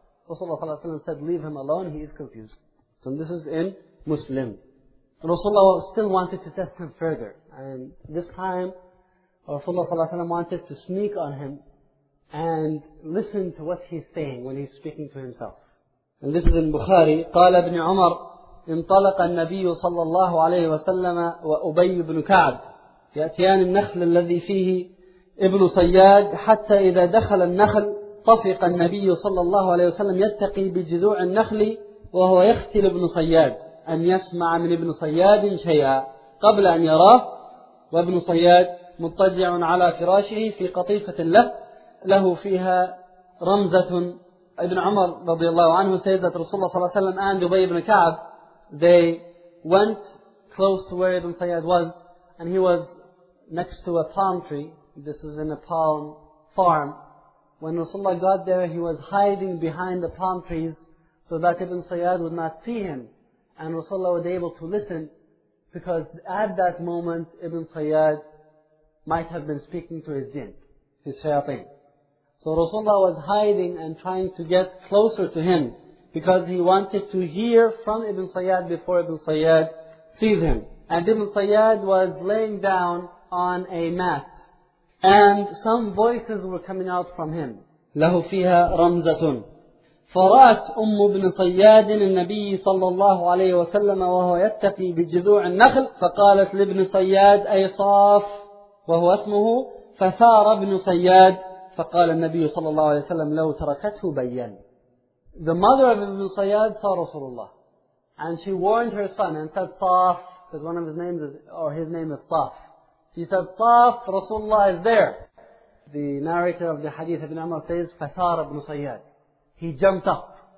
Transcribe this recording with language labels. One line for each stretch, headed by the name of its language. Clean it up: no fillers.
English: Rasulullah sallallahu alayhi wa sallam said, leave him alone, he is confused. So this is in Muslim. Rasulullah still wanted to test him further. And this time, Rasulullah sallallahu alayhi wa sallam wanted to sneak on him and listen to what he's saying when he's speaking to himself. And this is in Bukhari.
Arabic: قال ابن عمر انطلق النبي صلى الله عليه وسلم وأبي بن كعب يأتيان النخل الذي فيه ابن صياد حتى إذا دخل النخل طفق النبي صلى الله عليه وسلم يتقي بجذوع النخل وهو يختل ابن صياد أن يسمع من ابن صياد شيئا قبل أن يراه وابن صياد مضطجع على فراشه في قطيفة له فيها رمزة.
English: Ibn Umar رضي الله عنه says that Rasulullah صلى الله عليه وسلم and Ubay ibn Ka'ab, they went close to where Ibn Sayyad was, and he was next to a palm tree. This is in a palm farm. When Rasulullah got there, he was hiding behind the palm trees so that Ibn Sayyad would not see him, and Rasulullah was able to listen, because at that moment Ibn Sayyad might have been speaking to his jinn, his shayateen. So Rasulullah was hiding and trying to get closer to him because he wanted to hear from Ibn Sayyad before Ibn Sayyad sees him. And Ibn Sayyad was laying down on a mat and some voices were coming out from him.
Arabic: لَهُ فِيهَا رَمْزَةٌ فَرَأَتْ أُمُّ بْنِ صَيَّادٍ النَّبِيِّ صَلَّى اللَّهُ عَلَيْهِ وَسَلَّمَ وَهُوَ يَتَّقِي بِجِذُوعِ النَّخْلِ فَقَالَتْ لِبْنِ صَيَّادٍ أَيْ صَاف وَهُوَ أَسْمُهُ فَسَارَ بْنُ صَيَّادٍ فقال النبي صلى الله عليه وسلم لو تركته بين.
English: The mother of Ibn Sayyad saw Rasulullah, and she warned her son and said, Saf, because one of his name is Saf. She said, Saf, Rasulullah is there. The narrator of the hadith Ibn Umar says, Fathar ibn Sayyad. He jumped up.